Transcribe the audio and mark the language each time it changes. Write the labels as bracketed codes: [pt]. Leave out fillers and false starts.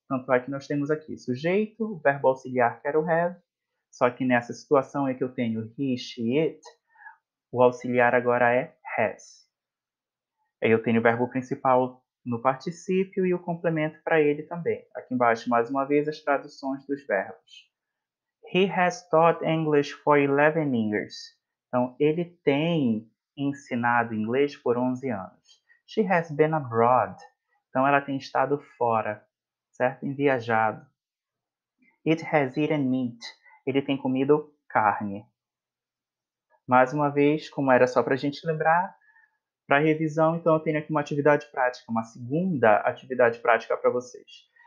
[pt] Tanto é que nós temos aqui sujeito, o verbo auxiliar que era o have, só que nessa situação é que eu tenho he, she, it, o auxiliar agora é has. Aí eu tenho o verbo principal no particípio e o complemento para ele também. Aqui embaixo, mais uma vez, as traduções dos verbos. [en] He has taught English for 11 years. [pt] Então, ele tem ensinado inglês por 11 anos. [en] She has been abroad. [pt] Então, ela tem estado fora, certo? Em viajado. [en] It has eaten meat. [pt] Ele tem comido carne. Mais uma vez, como era só para a gente lembrar, para revisão, então, eu tenho aqui uma atividade prática, uma segunda atividade prática para vocês.